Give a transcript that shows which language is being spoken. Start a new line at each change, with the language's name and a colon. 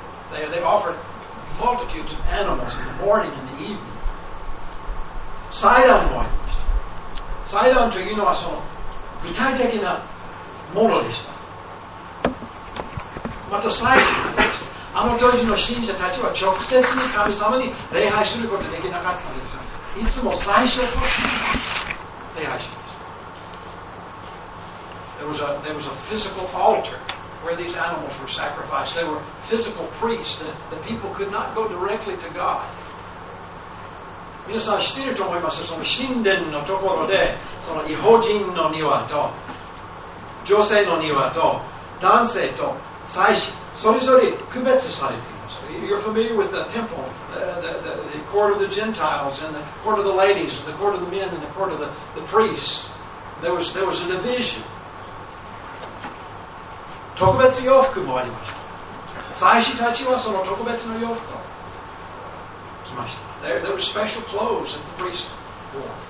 English: They offered multitudes of animals in the morning and the evening.
Japanese: 祭壇もありました。祭壇というのはその具体的なものでした。また最初に、あの当時の信者たちは直接に神様に礼拝することができなかったんですが、いつも最初と礼拝しました。
English: There was a physical altar where these animals were sacrificed. They were physical priests. The people could not go directly to God.
Japanese: 皆さん知っていると思いますが、その神殿のところで、その異邦人の庭と、女性の庭と、男性と、祭司、それぞれ区別されています。
English: You're familiar with the temple, the court of the Gentiles, and the court of the ladies, and the court of the men, and the court of the priests. There was a division.
Japanese: 特別洋服もありました。祭司たちはその特別の洋服を着ました。
English: There were special clothes that the priests wore.